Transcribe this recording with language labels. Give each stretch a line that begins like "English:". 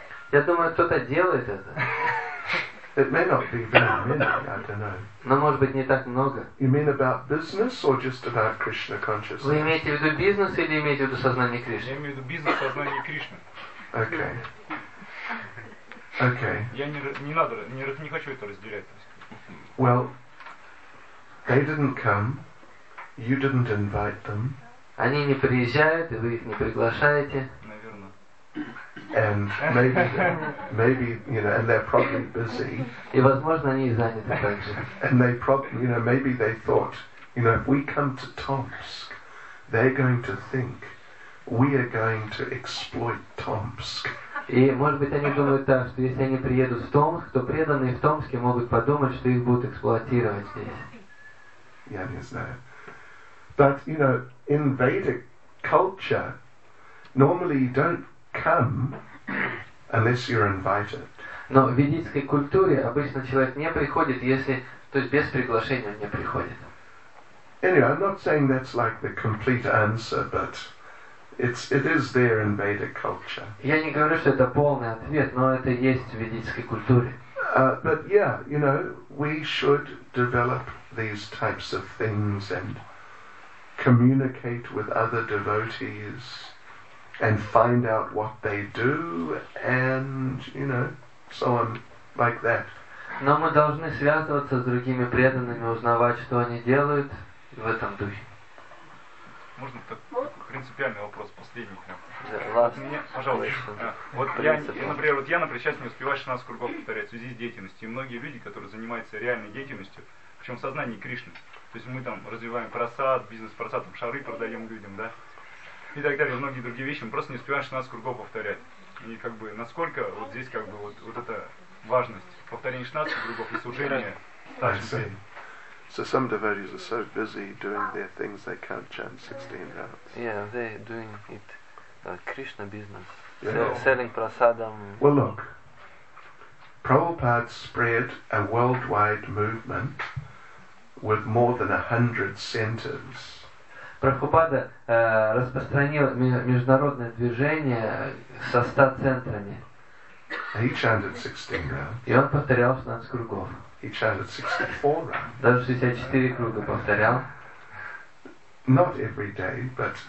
Russian: Я думаю, кто-то делает это.
English: It may not be very many, I don't know.
Russian: Но может быть не так много.
English: You mean about business or just about Krishna consciousness?
Russian: Вы имеете в виду бизнес или имеете в виду сознание Кришны? Я имею в виду бизнес, сознание Кришны.
English: Okay. Okay.
Russian: Я не хочу это разделять.
English: Well, they didn't come. You didn't invite them.
Russian: Они не приезжают, и вы их не приглашаете.
English: And maybe you know, and they're probably busy.
Russian: И возможно они заняты также.
English: And they probably, you know, maybe they thought, you know, if we come to Tomsk, they're going to think we are going to exploit Tomsk.
Russian: И может быть они думают так, что если они приедут в Томск, то преданные в Томске могут подумать, что их будут эксплуатировать здесь. Я не знаю.
English: But you know, in Vedic culture, normally you don't come unless you're invited.
Russian: Но в ведической культуре обычно человек не приходит, если, то есть без приглашения он не приходит.
English: Anyway, I'm not saying that's like the complete answer, but it is there in Vedic culture.
Russian: Я не говорю, что это полный ответ, но это есть в ведической культуре.
English: But yeah, you know, we should develop these types of things and communicate with other devotees. And find out what they do, and you know, so on, like that.
Russian: Но мы должны связываться с другими преданными, узнавать, что они делают в этом духе. Можно так принципиальный вопрос последний прям. Например, сейчас не успеваю 16 кругов повторять в связи с деятельностью. И многие люди, которые занимаются реальной деятельностью, причем в сознании Кришны. То есть мы там развиваем просад, бизнес-просад, там шары продаем людям, да? И так далее, многие другие вещи, мы просто не успеваем 16 кругов повторять. И как бы, насколько вот здесь как бы вот эта важность повторения 16 кругов и служения.
English: I see. So some devotees are so busy doing their things they can't chant 16 rounds. Yeah, they're doing it Krishna business. Yeah. Selling prasadam. Well, look. Prabhupada spread a worldwide movement with more than 100 centers.
Russian: Прабхупада распространил международное движение со 100 центрами.
English: He chanted 16 rounds.
Russian: И он повторял 16 кругов.
English: He chanted 64 rounds.
Russian: Даже 64 круга повторял.
English: Not every day, but